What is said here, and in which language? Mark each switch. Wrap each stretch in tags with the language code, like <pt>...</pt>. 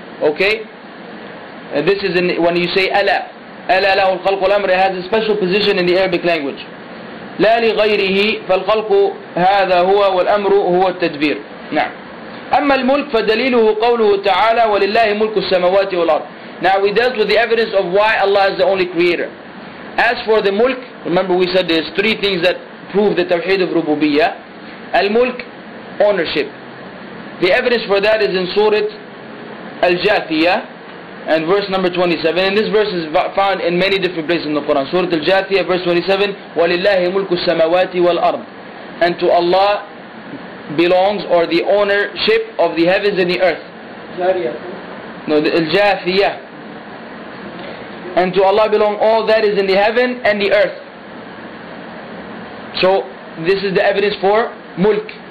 <en>Okay, and this is when you say ألا.</en> <ar>ألا له الخلق والأمر,</ar> <en>has a special position in the Arabic language.</en> <ar>لا لغيره فالخلق هذا هو والأمر هو التدبير. نعم. أما الملك فدليله قوله تعالى ولله ملك السماوات والأرض.</ar> <en>Now we dealt with the evidence of why Allah is the only creator. As for the mulk, remember we said there's three things that prove the tawheed of rububiyyah. Al-mulk, ownership. The evidence for that is in Surah Al-Jathiyah and verse number 27. And this verse is found in many different places in the Quran. Surah Al-Jathiyah, verse 27,</en> <ar>وَلِلَّهِ مُلْكُ السَّمَوَاتِ وَالْأَرْضِ.</ar> <en>And to Allah belongs, or the ownership of the heavens and the earth. No, the Al-Jathiyah. And to Allah belong all that is in the heaven and the earth. So this is the evidence for mulk.</en>